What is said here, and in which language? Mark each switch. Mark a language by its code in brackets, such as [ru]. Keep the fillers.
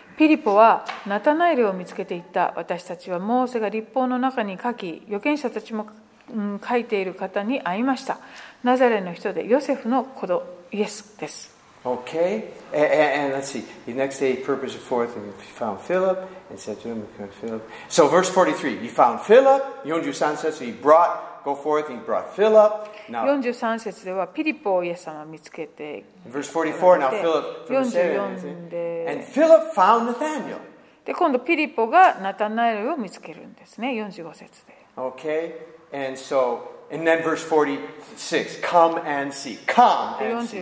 [ja] ピリポはナタナエルを見つけていった。私たちはモーセが立法の中に書き、預言者たちも書いている方に会いました。ナザレの人でヨセフの子供イエスです。 [en] Okay? And, and, and, let's see. The next day he purposed forth and he found Philip and said to him, Philip. So verse 43. He found Philip. 43 says so he brought, go forth, he brought Philip. Now, [ja] 43節ではピリポをイエス様を見つけて 44で [en] Philip, Philip found Nathaniel. [ja] で今度ピリポがナタナエルを見つけるんですね45節で。 [en] Okay. And so, and then verse 46. Come and see. Come and see.